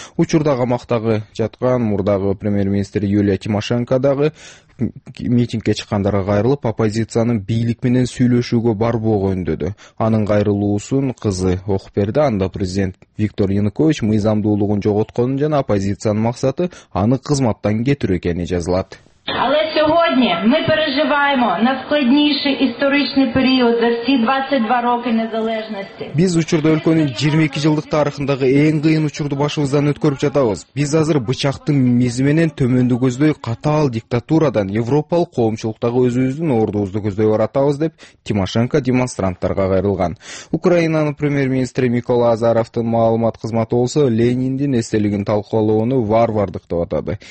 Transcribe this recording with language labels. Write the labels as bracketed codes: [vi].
[ky] Учурда камактагы жаткан мурдагы премьер-министр Юлия Тимошенко дагы митингке чыккандарга кайрылып, оппозициянын бийлик менен сүйлөшүүгө барбоого үндөдү. Анын кайрылуусун кызы окуп берди. Анда президент Виктор Янукович мыйзамдуулугун жоготконун жана оппозициянын максаты аны кызматтан кетирүү экени жазылат. [ru] Сегодня мы переживаем на складнейший исторический период за все 22 года независимости. [ky] Биз учурда өлкөнүн 22 жылдык тарыхындагы эң кыйын учурду башыбыздан өткөрүп жатабыз. Биз азыр бычактын мизи менен төмөндү көздөй катаал диктатурадан европалык коомчулуктагы өзүбүздүн ордубузду көздөй баратабыз деп Тимошенко демонстранттарга кайрылган. Украинанын премьер-министри Микола Азаровдун маалымат кызматы болсо, Лениндин эстелигин талкалоону варвардык деп атады.